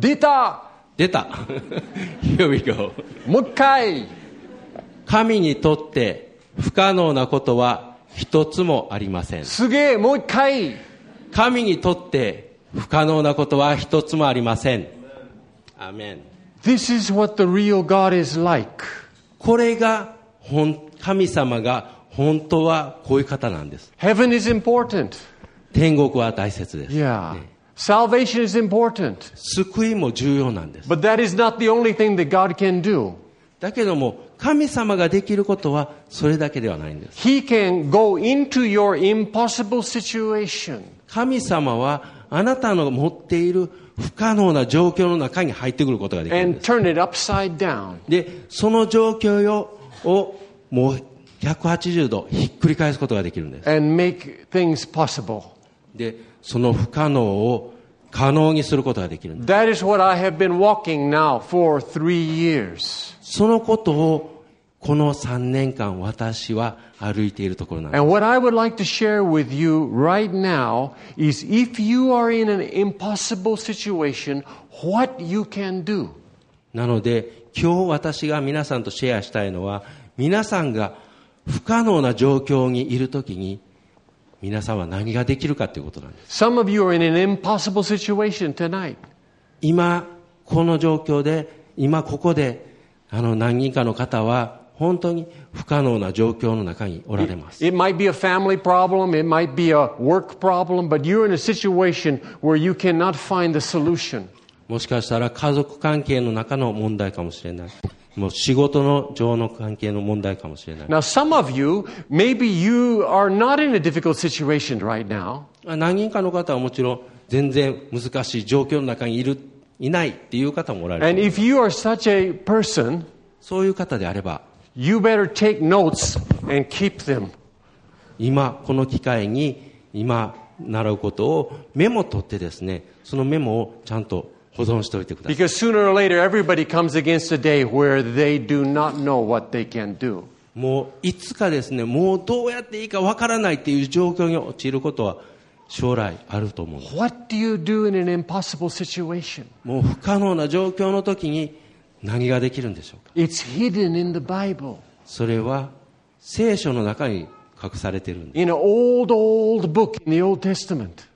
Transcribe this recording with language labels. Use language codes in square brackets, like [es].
[ja] 出た出た。 [en] Here we go. [ja] もう一回。神にとって不可能なことは一つもありません。すげえ、もう一回。神にとって不可能なことは一つもありません。アーメン。 [en] This is what the real God is like. [ja] これが神様が本当はこういう方なんです。 [en] Heaven is important. [ja] 天国は大切です。 [en] Yeah. Salvation is important. [ja] 救いも重要なんです。 [en] But that is not the only thing that God can do. [ja] だけども神様ができることはそれだけではないんです。 [en] He can go into your impossible situation. [ja] 神様はあなたの持っている不可能な状況の中に入ってくることができるんです。 [en] And turn it upside down. [ja] で、その状況をもう180度ひっくり返すことができるんです。 [en] And make things possible. [ja] で、その不可能を可能にすることができるんです。 [en] That is what I have been walking now for three years. [ja] そのことをこの3年間私は歩いているところなんです。 [en] And what I would like to share with you right now is if you are in an impossible situation, what you can do. [ja] なので今日私が皆さんとシェアしたいのは、皆さんが不可能な状況にいるときに皆さんは何ができるかということなんです。 [en] Some of you are in an impossible situation tonight. [ja] 今この状況で、今ここで、何人かの方は本当に不可能な状況の中におられます。 [en] It might be a family problem, it might be a work problem, but you're in a situation where you cannot find the solution. [ja] もしかしたら家族関係の中の問題かもしれない。もう仕事の上の関係の問題かもしれない。 [en] Now some of you, maybe you are not in a difficult situation right now. [ja] 何人かの方はもちろん全然難しい状況の中にいないっていう方もおられる。 [en] And if you are such a person, [ja] そういう方であれば、 [en] you better take notes and keep them. [ja] 今この機会に今習うことをメモ取ってですね、そのメモをちゃんと保存しておいてください。 [en] Because sooner or later everybody comes against a day where they do not know what they can do. [ja] もういつかですね、もうどうやっていいかわからないっていう状況に陥ることは将来あると思うんです。 [en] What do you do in an impossible situation? [ja] もう不可能な状況の時に何ができるんでしょうか。 [en] It's hidden in the Bible. [ja] それは聖書の中に隠されているんです。 [en] In an old, old book in the Old Testament.